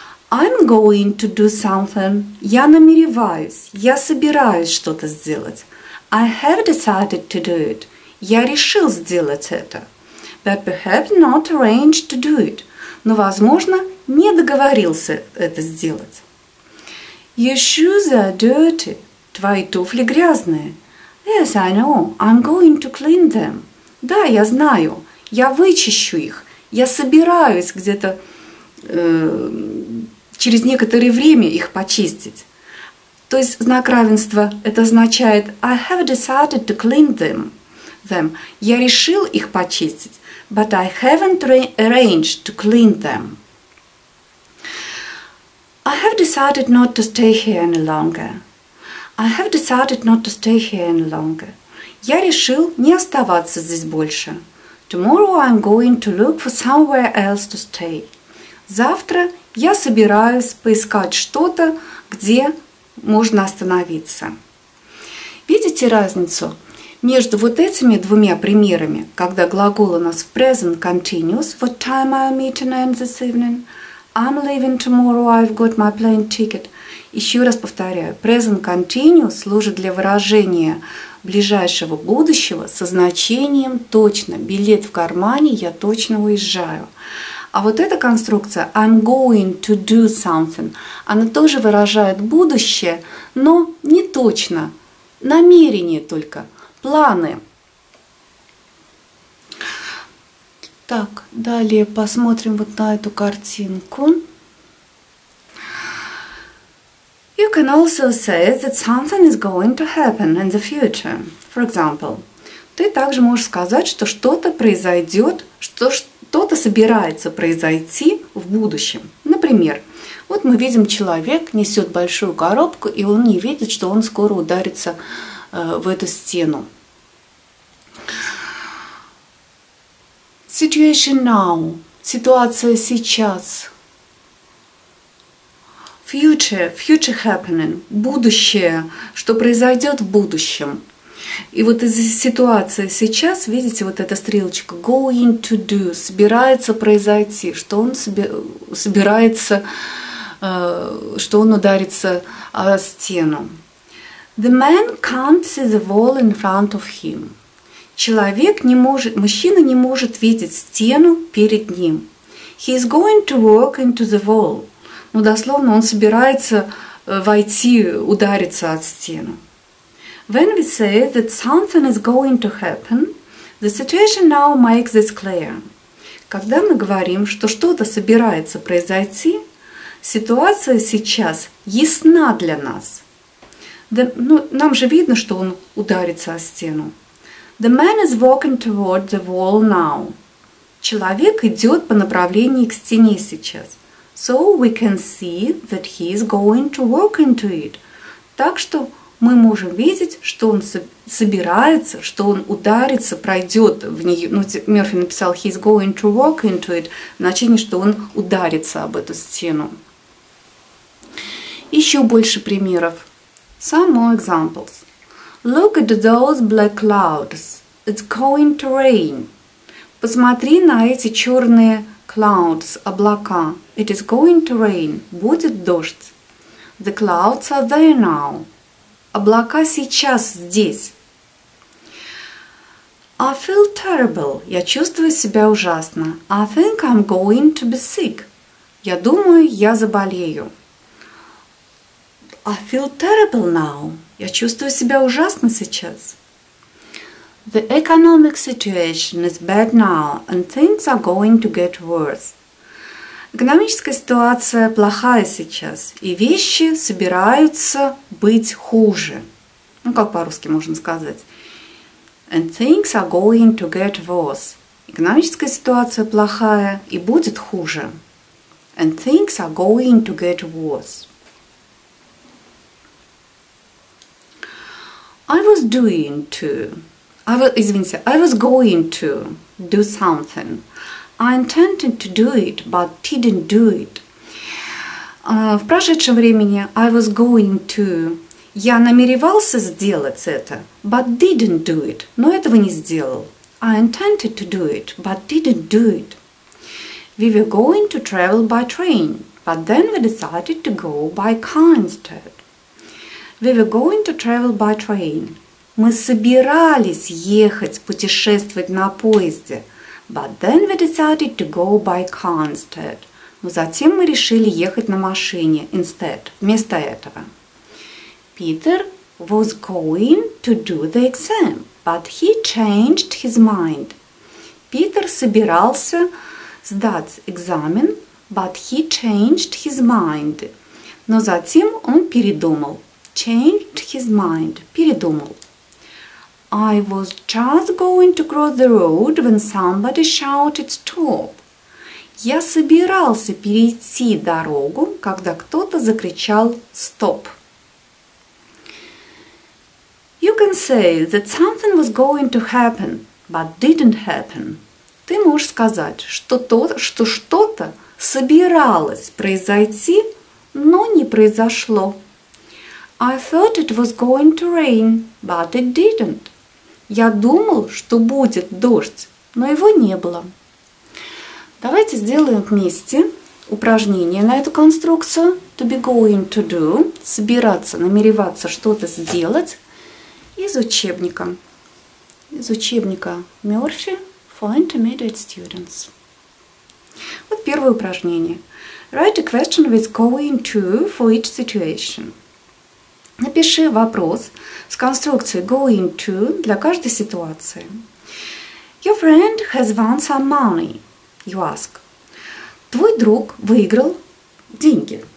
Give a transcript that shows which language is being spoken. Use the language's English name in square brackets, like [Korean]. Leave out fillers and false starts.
[English] I'm going to do something. [Russian] Я намереваюсь, я собираюсь что-то сделать. [English] I have decided to do it. [Russian] Я решил сделать это. [English] But perhaps not arranged to do it. [Russian] Но, возможно, не договорился это сделать. [English] Your shoes are dirty. [Russian] Твои туфли грязные. [English] Yes, I know. I'm going to clean them. [Russian] Да, я знаю. Я вычищу их. Я собираюсь где-то через некоторое время их почистить. То есть знак равенства это означает [English] I have decided to clean them. [Russian] Я решил их почистить. [English] But I haven't arranged to clean them. I have decided not to stay here any longer. I have decided not to stay here any longer. [Russian] Я решил не оставаться здесь больше. [English] Tomorrow I'm going to look for somewhere else to stay. [Russian] Завтра я собираюсь поискать что-то, где можно остановиться. Видите разницу? Между вот этими двумя примерами, когда глагол у нас в present continuous, [English] what time are you meeting Anne this evening? I'm leaving tomorrow, I've got my plane ticket. [Russian] Еще раз повторяю, present continuous служит для выражения ближайшего будущего со значением точно. Билет в кармане, я точно уезжаю. А вот эта конструкция [English] I'm going to do something, [Russian] она тоже выражает будущее, но не точно. Намерение только, планы. Так, далее посмотрим вот на эту картинку. [English] You can also say that something is going to happen in the future. For example, [Russian] ты также можешь сказать, что что-то произойдет, что что-то собирается произойти в будущем. Например, вот мы видим, человек несет большую коробку, и он не видит, что он скоро ударится в эту стену. [English] Situation now. [Russian] Ситуация сейчас. [English] Future. Future happening. [Russian] Будущее. Что произойдет в будущем. И вот из-за ситуации сейчас, видите, вот эта стрелочка. [English] Going to do. [Russian] Собирается произойти. Что он собирается, что он ударится о стену. [English] The man can't see the wall in front of him. [Russian] Человек не может, мужчина не может видеть стену перед ним. [English] He is going to walk into the wall. [Russian] Ну, дословно, он собирается войти, удариться от стены. [English] When we say that something is going to happen, the situation now makes this clear. [Russian] Когда мы говорим, что что-то собирается произойти, ситуация сейчас ясна для нас. The, ну, нам же видно, что он ударится о стену. [English] The man is walking toward the wall now. [Russian] Человек идет по направлению к стене сейчас. [English] So we can see that he is going to walk into it. [Russian] Так что мы можем видеть, что он собирается, что он ударится, пройдет в нее. Ну, Мерфи написал [English] he is going to walk into it, [Russian] значит, что он ударится об эту стену. Еще больше примеров. [English] Some more examples. Look at those black clouds. It's going to rain. [Russian] Посмотри на эти черные clouds, облака. [English] It is going to rain. [Russian] Будет дождь. [English] The clouds are there now. [Russian] Облака сейчас здесь. [English] I feel terrible. [Russian] Я чувствую себя ужасно. [English] I think I'm going to be sick. [Russian] Я думаю, я заболею. [English] I feel terrible now. [Russian] Я чувствую себя ужасно сейчас. [English] The economic situation is bad now, and things are going to get worse. [Russian] Экономическая ситуация плохая сейчас, и вещи собираются быть хуже. Ну, как по-русски можно сказать? [English] And things are going to get worse. Экономическая ситуация плохая, и будет хуже. And things are going to get worse. I was doing to, I was going to do something. I intended to do it, but didn't do it. [Russian] В прошедшем времени [English] I was going to, [Russian] я намеревался сделать это, [English] but didn't do it, [Russian] но этого не сделал. [English] I intended to do it, but didn't do it. We were going to travel by train, but then we decided to go by car instead. We were going to travel by train. [Russian] Мы собирались ехать, путешествовать на поезде. [English] But then we decided to go by car instead. [Russian] Но затем мы решили ехать на машине instead, вместо этого. [English] Peter was going to do the exam, but he changed his mind. Peter [Russian] собирался сдать экзамен, [English] but he changed his mind. [Russian] Но затем он передумал. [English] Changed his mind. [Russian] Передумал. [English] I was just going to cross the road when somebody shouted stop. [Russian] Я собирался перейти дорогу, когда кто-то закричал stop. [English] You can say that something was going to happen, but didn't happen. [Russian] Ты можешь сказать, что что-то собиралось произойти, но не произошло. [English] I thought it was going to rain, but it didn't. [Russian] Я думал, что будет дождь, но его не было. Давайте сделаем вместе упражнение на эту конструкцию. [English] To be going to do. [Russian] Собираться, намереваться что-то сделать. Из учебника. Из учебника Murphy for Intermediate Students. Вот первое упражнение. [English] Write a question with going to for each situation. [Russian] Напиши вопрос с конструкцией going to для каждой ситуации. [English] Your friend has won some money, you ask. [Russian] Твой друг выиграл деньги.